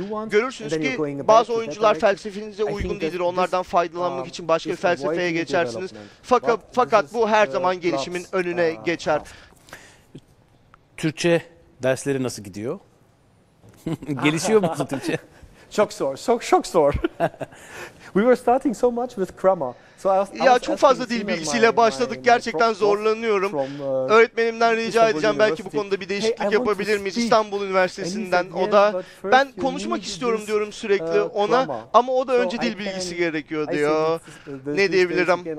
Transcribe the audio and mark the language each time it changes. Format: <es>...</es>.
<tr>Görürsünüz ki bazı oyuncular felsefenize uygun değildir. Onlardan faydalanmak için başka bir felsefeye geçersiniz. Fakat bu her zaman gelişimin önüne geçer. Türkçe dersleri nasıl gidiyor? Gelişiyor mu Türkçe? Çok zor, çok zor.</tr> <en>We were starting so much with grammar. So</en> <tr>ya çok fazla dil bilgisiyle başladık. Gerçekten zorlanıyorum. Öğretmenimden rica edeceğim. Belki bu konuda bir değişiklik yapabilir miyiz? İstanbul Üniversitesi'nden. O da ben konuşmak istiyorum diyorum sürekli ona. Ama o da önce dil bilgisi gerekiyor diyor. Ne diyebilirim?</tr>